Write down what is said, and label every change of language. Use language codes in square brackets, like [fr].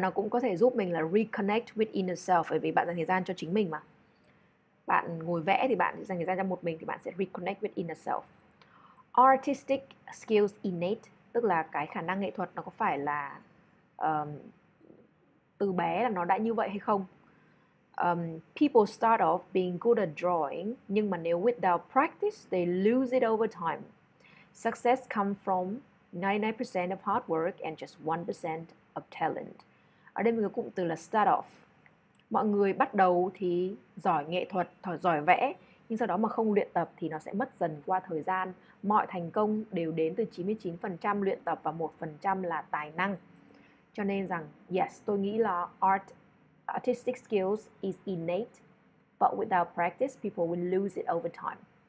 [vi] Nó cũng có thể giúp mình là [en] reconnect with inner self, [vi] bởi vì bạn dành thời gian cho chính mình mà. Bạn ngồi vẽ thì bạn dành thời gian cho một mình thì bạn sẽ [en] reconnect with inner self. Artistic skills innate, [vi] tức là cái khả năng nghệ thuật nó có phải là từ bé là nó đã như vậy hay không? [en] People start off being good at drawing, [vi] nhưng mà nếu [en] without practice, they lose it over time. Success come from 99% of hard work and just 1% of talent. [vi] Ở đây mình có cụm từ là start off. Mọi người bắt đầu thì giỏi nghệ thuật, giỏi vẽ, nhưng sau đó mà không luyện tập thì nó sẽ mất dần qua thời gian. Mọi thành công đều đến từ 99% luyện tập và 1% là tài năng. Cho nên rằng, [en] yes, [vi] tôi nghĩ là [en] artistic skills is innate, but without practice, people will lose it over time.